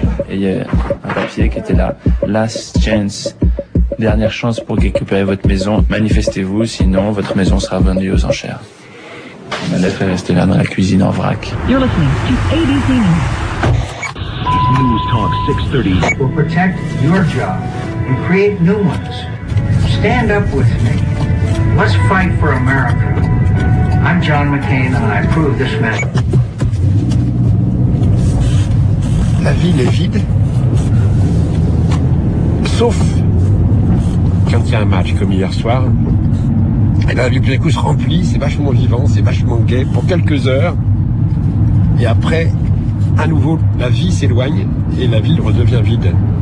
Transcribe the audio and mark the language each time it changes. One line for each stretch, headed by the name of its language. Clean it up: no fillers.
French: Et il y a un papier qui était là.
English: Last chance.
French: Dernière chance pour récupérer votre maison. Manifestez-vous, sinon votre maison sera vendue aux enchères. Ma lettre est restée là dans la cuisine en vrac.
English: You're listening to ABC News. News Talk 630 will protect your job and create new ones. Stand up with me. Let's fight for America. I'm John McCain and I approve this message.
French: La ville est vide, sauf quand il y a un match comme hier soir. Et bien la ville tout d'un coup se remplit, c'est vachement vivant, c'est vachement gay pour quelques heures. Et après, à nouveau, la vie s'éloigne et la ville redevient vide.